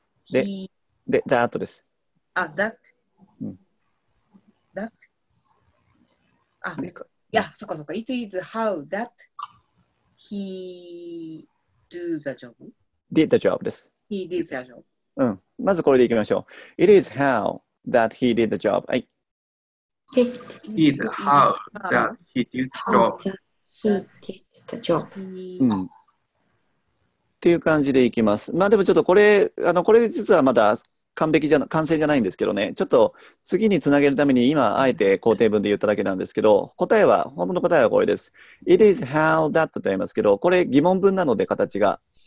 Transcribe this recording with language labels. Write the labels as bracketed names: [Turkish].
[Japanese] で、that です。あ、that?、うん、 [English] that? [Japanese] あ、いや、そっかそっか。 [English] It is how that he... Do the job. Did the job [Japanese] です。 [English] He did the job. [Japanese] うん。まずこれでいきましょう。 [English] It is how that he did the job. [Japanese] はい。 [English] It is how that he did the job. He did the job. [Japanese] うん。っていう感じでいきます。まあでもちょっとこれ、これ実はまだ完成じゃないんですけどね。ちょっと次につなげるために今、あえて肯定文で言っただけなんですけど、答えは、本当の答えはこれです。 [English] It is how that [Japanese] と言いますけど、これ疑問文なので形が。